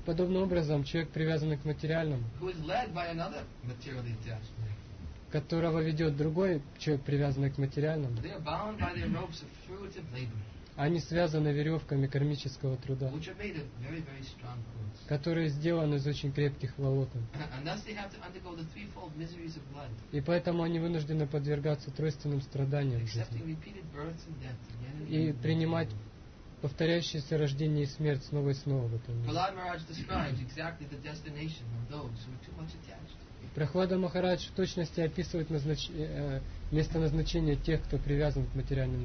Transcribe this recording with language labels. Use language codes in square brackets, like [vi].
[ru] подобным образом, человек, привязанный к материальному, [en] who is led by another materially attached man, [ru] которого ведет другой человек, привязанный к материальному, [en] they are bound by their ropes of fruitive labor, [ru] они связаны веревками кармического труда, [en] which are made of very, very strong cords, [ru] которые сделаны из очень крепких волокон. [en] And thus they have to undergo the threefold miseries of blood. [ru] И поэтому они вынуждены подвергаться тройственным страданиям в жизни, [en] accepting repeated births and deaths, again and again, [ru] и принимать повторяющееся рождение и смерть снова и снова в этом мире. [en] Prahlada Maharaj describes exactly the destination of those who are too much attached. [ru] Прохлада Махарадж в точности описывает место назначения тех, кто привязан к материальным